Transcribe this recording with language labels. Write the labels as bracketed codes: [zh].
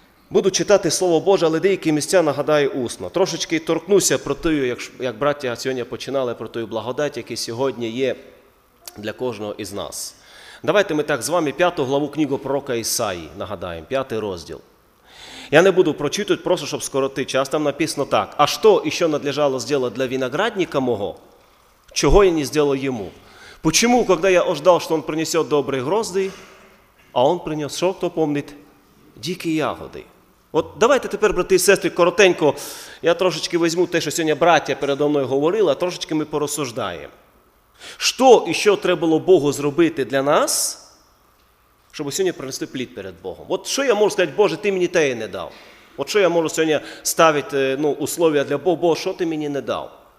[uk] Буду читати Слово Боже, але деякі місця нагадаю усно. Трошечки торкнуся про те, як браття сьогодні починали, про ту благодать, яка сьогодні є для кожного із нас. Давайте ми так з вами 5 главу книги пророка Ісаї нагадаємо, 5 розділ. [ru] Я не буду прочитывать, просто чтобы скоротить час. Там написано так. А что еще надлежало сделать для виноградника мого? Чего я не сделал ему? Почему, когда я ожидал, что он принесет добрые грозди, а он принес, что кто помнит? Дикие ягоды. [uk] От давайте тепер, брати і сестри, коротенько, я трошечки візьму те, що сьогодні браття передо мною говорили, а трошечки ми порозсуждаємо. Що і що треба було Богу зробити для нас, щоб сьогодні принести плід перед Богом? От що я можу сказати, Боже, ти мені те і не дав? От що я можу сьогодні ставити, ну, условия для Бога, Боже, що ти мені не дав?